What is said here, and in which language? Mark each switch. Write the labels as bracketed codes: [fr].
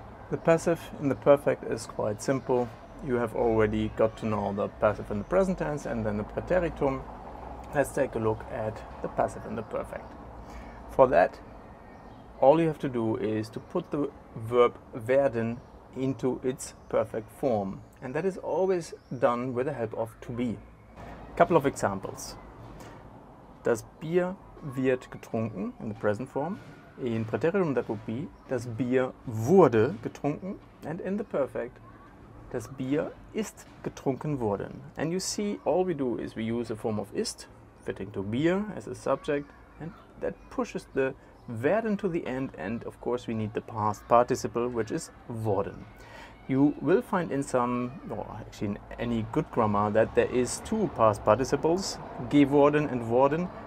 [en] The passive in the perfect is quite simple. You have already got to know the passive in the present tense and then the preteritum. Let's take a look at the passive in the perfect. For that, all you have to do is to put the verb werden into its perfect form. And that is always done with the help of to be. Couple of examples. [de] Das Bier wird getrunken [en] in the present form. In preterium that would be [de] das Bier wurde getrunken, [en] and in the perfect [de] das Bier ist getrunken worden. [en] And you see, all we do is we use a form of ist fitting to Bier as a subject, and that pushes the werden to the end, and of course we need the past participle, which is worden. You will find in some, or actually in any good grammar, that there is two past participles, geworden and worden.